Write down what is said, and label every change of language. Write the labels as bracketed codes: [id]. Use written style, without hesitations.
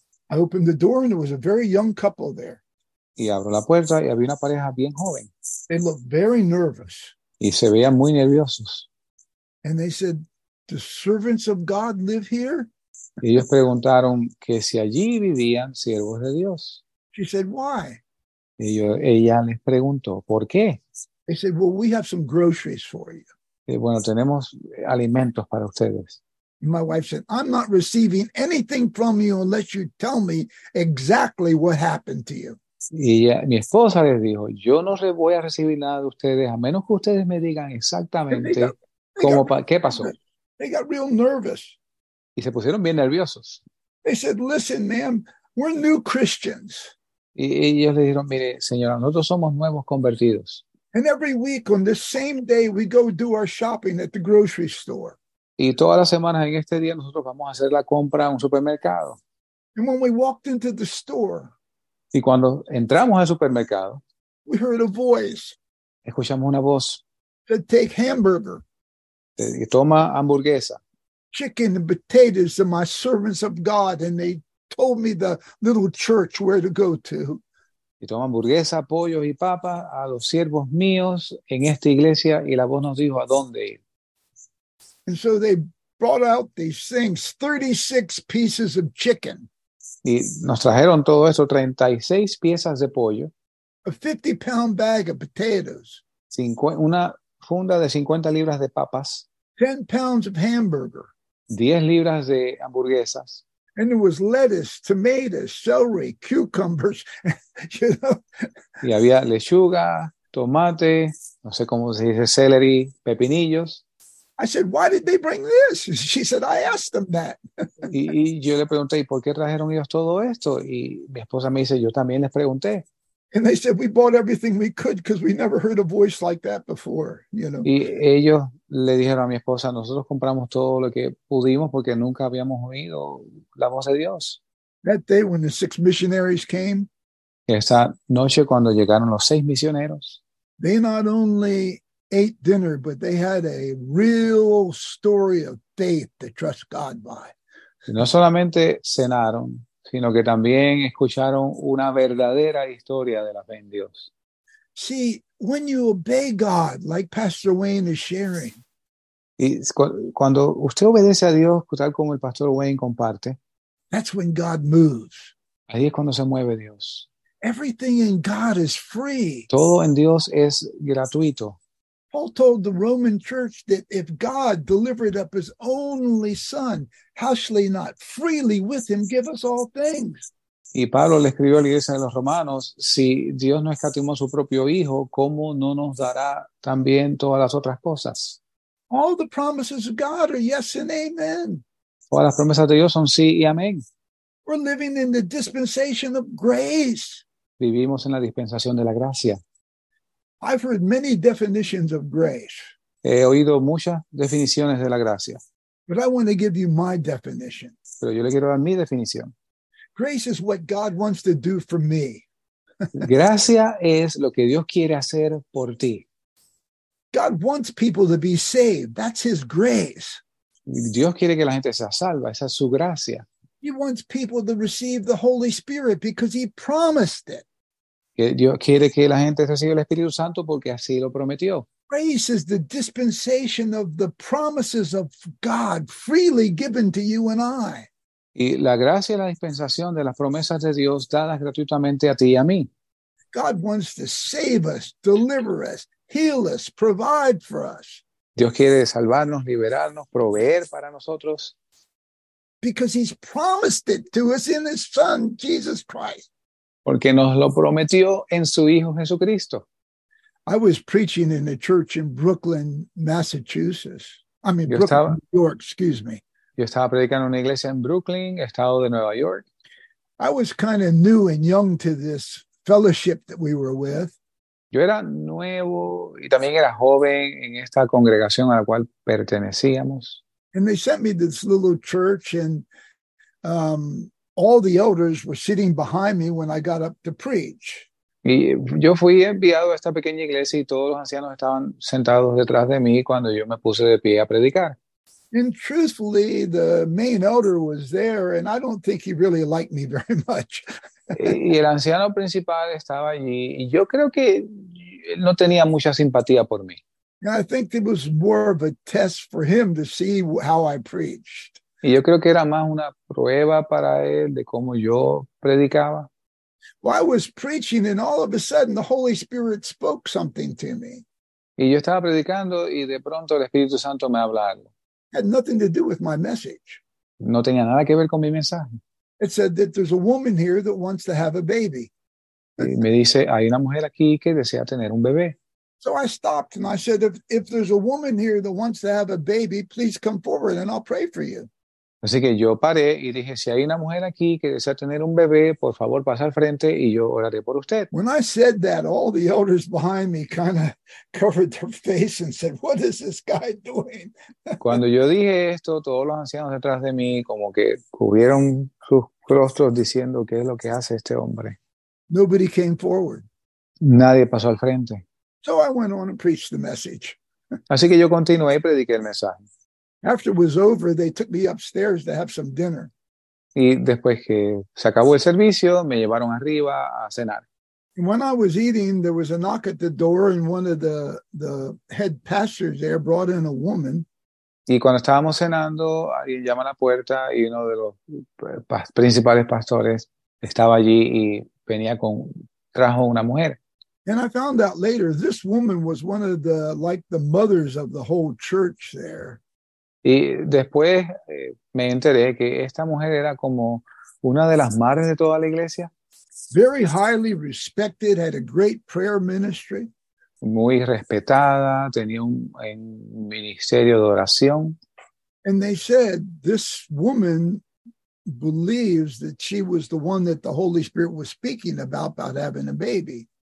[en] I opened the door and there was a very young couple there. [es] Y abro la puerta y había una pareja bien joven. [en] They looked very nervous. [es] Y se veían muy nerviosos. [en] And they said, "Do servants of God live here?" [es] Y ellos preguntaron que si allí vivían siervos de Dios. [en] She said, "Why?" [es] Y ella les preguntó, ¿por qué? [en] They said, "Well, we have some groceries for you." [es] Y bueno, tenemos alimentos para ustedes. [en] My wife said, "I'm not receiving anything from you unless you tell me exactly what happened to you." [es] Y ella, mi esposa les dijo, yo no voy a recibir nada de ustedes a menos que ustedes me digan exactamente qué pasó. [en] They got real nervous. [es] Y se pusieron bien nerviosos. [en] They said, listen, ma'am, we're new Christians. [es] Y ellos le dijeron, mire, señora, nosotros somos nuevos convertidos. [en] And every week on the same day we go do our shopping at the grocery store. [es] Y todas las semanas en este día nosotros vamos a hacer la compra en un supermercado. [en] And when we walked into the store, [es] y cuando entramos al supermercado, [en] we heard a voice. [es] Escuchamos una voz. [en] to take hamburger. [es] Y toma hamburguesa. [en] Chicken and potatoes to my servants of God, and they told me the little church where to go to. [es] Y toma hamburguesa, pollo y papa a los siervos míos en esta iglesia, y la voz nos dijo a dónde ir. [en] And so they brought out these things, 36 pieces of chicken. [es] Y nos trajeron todo eso, 36 piezas de pollo. [en] A 50-pound bag of potatoes. [es] Una funda de 50 libras de papas. [en] 10 pounds of hamburger. [es] 10 libras de hamburguesas. [en] And it was lettuce, tomatoes, celery, cucumbers, you know. [es] Y había lechuga, tomate, no sé cómo se dice, celery, pepinillos. [en] I said, why did they bring this? She said, I asked them that. [es] Y yo le pregunté, ¿y por qué trajeron ellos todo esto? Y mi esposa me dice, yo también les pregunté. [en] And they said, we bought everything we could because we never heard a voice like that before, you know. [es] Y ellos le dijeron a mi esposa, nosotros compramos todo lo que pudimos porque nunca habíamos oído la voz de Dios. [en] That day when the six missionaries came. [es] Esa noche cuando llegaron los seis misioneros. [en] They not only ate dinner, but they had a real story of faith to trust God by. [es] No solamente cenaron, sino que también escucharon una verdadera historia de la fe en Dios. [en] See, when you obey God, like Pastor Wayne is sharing. [es] Y cuando usted obedece a Dios, tal como el Pastor Wayne comparte. [en] That's when God moves. [es] Ahí es cuando se mueve Dios. [en] Everything in God is free. [es] Todo en Dios es gratuito. [en] Paul told the Roman church that if God delivered up his only son, how shall he not freely with him give us all things? [es] Y Pablo le escribió a la iglesia de los romanos, si Dios no escatimó su propio hijo, ¿cómo no nos dará también todas las otras cosas? [en] All the promises of God are yes and amen. [es] Todas las promesas de Dios son sí y amén. [en] We're living in the dispensation of grace. [es] Vivimos en la dispensación de la gracia. [en] I've heard many definitions of grace. [es] He oído muchas definiciones de la gracia. [en] But I want to give you my definition. [es] Pero yo le quiero dar mi definición. [en] Grace is what God wants to do for me. [es] Gracia es lo que Dios quiere hacer por ti. [en] God wants people to be saved. That's his grace. [es] Dios quiere que la gente sea salva. Esa es su gracia. [en] He wants people to receive the Holy Spirit because he promised it. [es] Dios quiere que la gente reciba el Espíritu Santo porque así lo prometió. [en] Grace is the dispensation of the promises of God freely given to you and I. [es] Y la gracia es la dispensación de las promesas de Dios dadas gratuitamente a ti y a mí. [en] God wants to save us, deliver us, heal us, provide for us. [es] Dios quiere salvarnos, liberarnos, proveer para nosotros. [en] Because he's promised it to us in his son, Jesus Christ. [es] Porque nos lo prometió en su Hijo Jesucristo. [en] I was preaching in a church in Brooklyn, Massachusetts. New York, excuse me. [es] Yo estaba predicando en una iglesia en Brooklyn, estado de Nueva York. [en] I was kind of new and young to this fellowship that we were with. [es] Yo era nuevo y también era joven en esta congregación a la cual pertenecíamos. [en] And they sent me to this little church and all the elders were sitting behind me when I got up to preach. [es] Y yo fui enviado a esta pequeña iglesia y todos los ancianos estaban sentados detrás de mí cuando yo me puse de pie a predicar. [en] And truthfully, the main elder was there and I don't think he really liked me very much. [es] Y el anciano principal estaba allí y yo creo que no tenía mucha simpatía por mí. [en] And I think it was more of a test for him to see how I preached. [es] Y yo creo que era más una prueba para él de cómo yo predicaba. [en] Well, I was preaching and all of a sudden the Holy Spirit spoke something to me. [es] Y yo estaba predicando y de pronto el Espíritu Santo me habla algo. [en] Had nothing to do with my message. [es] No tenía nada que ver con mi mensaje. [en] It said that there's a woman here that wants to have a baby. [es] Y me dice, hay una mujer aquí que desea tener un bebé. [en] So I stopped and I said, if there's a woman here that wants to have a baby, please come forward and I'll pray for you. [es] Así que yo paré y dije, si hay una mujer aquí que desea tener un bebé, por favor, pase al frente y yo oraré por usted. [en] When I said that, all the elders behind me kind of covered their face and said, what is this guy doing? [es] Cuando yo dije esto, todos los ancianos detrás de mí como que cubrieron sus rostros diciendo, ¿qué es lo que hace este hombre? [en] Nobody came forward. [es] Nadie pasó al frente. [en] So I went on and preached the message. [es] Así que yo continué y prediqué el mensaje. [en] After it was over, they took me upstairs to have some dinner. [es] Y después que se acabó el servicio, me llevaron arriba a cenar. [en] When I was eating, there was a knock at the door, and one of the head pastors there brought in a woman. [es] Y cuando estábamos cenando, alguien llama a la puerta y uno de los principales pastores estaba allí y venía con trajo una mujer. [en] And I found out later this woman was one of the like the mothers of the whole church there. [es] Y después me enteré que esta mujer era como una de las madres de toda la iglesia. [en] Very highly respected, had a great prayer ministry. [es] Muy respetada, tenía un ministerio de oración. [en] And they said this woman believes that she was the one that the Holy Spirit was speaking about having a baby.